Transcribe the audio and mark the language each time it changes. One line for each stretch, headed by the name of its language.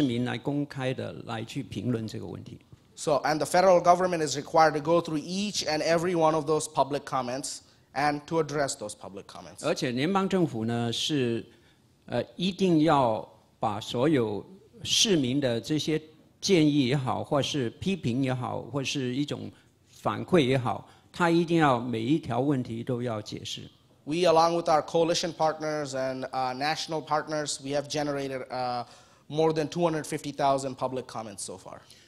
Chinese: 就是已经通过以后，还有60天的那个提述，就是让市民来公开的来去评论这个问题。
English: So, and the federal government is required to go through each and every one of those public comments and to address those public comments.
Chinese: 而且联邦政府呢是一定要把所有市民的这些 建议也好，或是批评也好，或是一种反馈也好，他一定要每一条问题都要解释。
English: We, along with our coalition partners and national partners, we have generated more than 250,000 public comments so far.